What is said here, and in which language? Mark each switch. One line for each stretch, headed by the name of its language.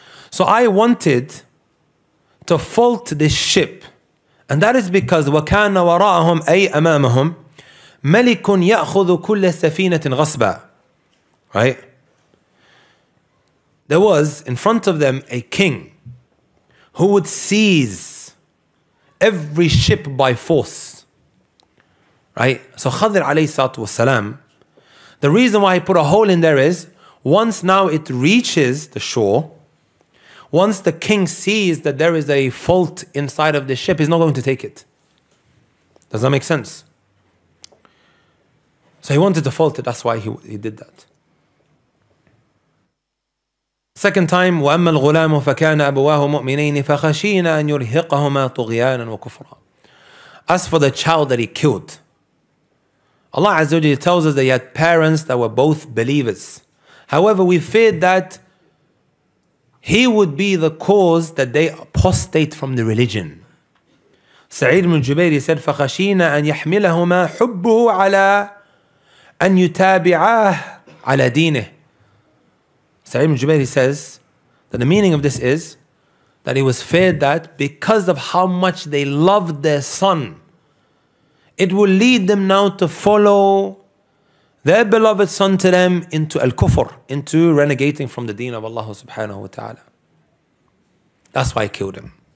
English: So I wanted to fault this ship. And that is because
Arabic: وَكَانَ وَرَاءَهُمْ أَيْ أَمَامَهُمْ مَلِكٌ يَأْخُذُ كُلَّ سَفِينَةٍ غَصْبًا.
English: Right? There was in front of them a king who would seize every ship by force. Right? So Khidr alayhi salatu wasalam, the reason why he put a hole in there is once now it reaches the shore, once the king sees that there is a fault inside of the ship, he's not going to take it. Does that make sense? So he wanted to fault it, that's why he did that. Second time,
Arabic: وَأَمَّا الْغُلَامُ فَكَانَ أَبُوَاهُ مُؤْمِنَيْنِ فَخَشِينَ أَنْ يُرْهِقَهُمَا طُغْيَانًا وَكُفْرًا.
English: As for the child that he killed, Allah Azza wa Jalla tells us that he had parents that were both believers. However, we feared that he would be the cause that they apostate from the religion. Sa'id ibn Jubayr said,
Arabic: فَخَشِينَ أَنْ يَحْمِلَهُمَا حُبُّهُ عَلَىٰ أَنْ يُتَابِعَاهُ عَلَىٰ دِينِهِ.
English: Sa'id ibn Jubayr says that the meaning of this is that he was feared that because of how much they loved their son, it will lead them now to follow their beloved son to them into al-kufr, into renegating from the deen of Allah subhanahu wa ta'ala. That's why he killed him.